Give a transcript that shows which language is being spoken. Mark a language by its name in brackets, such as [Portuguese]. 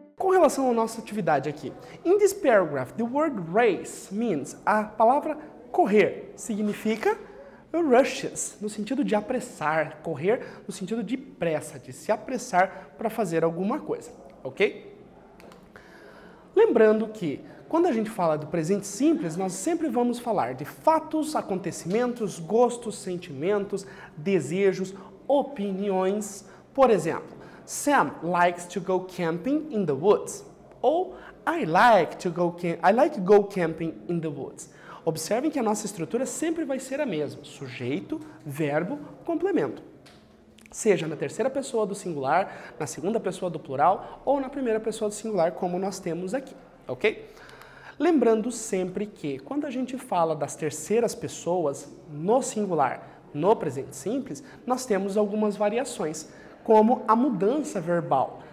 [Portuguese] relação à nossa atividade aqui. [English] In this paragraph, the word race means, [Portuguese] a palavra correr significa rushes, no sentido de apressar, correr no sentido de pressa, de se apressar para fazer alguma coisa, ok? Lembrando que quando a gente fala do presente simples, nós sempre vamos falar de fatos, acontecimentos, gostos, sentimentos, desejos, opiniões. Por exemplo, [English] Sam likes to go camping in the woods. Ou I like to go camping in the woods. [Portuguese] Observem que a nossa estrutura sempre vai ser a mesma. Sujeito, verbo, complemento. Seja na terceira pessoa do singular, na segunda pessoa do plural ou na primeira pessoa do singular, como nós temos aqui, ok? Lembrando sempre que quando a gente fala das terceiras pessoas no singular, no presente simples, nós temos algumas variações, como a mudança verbal.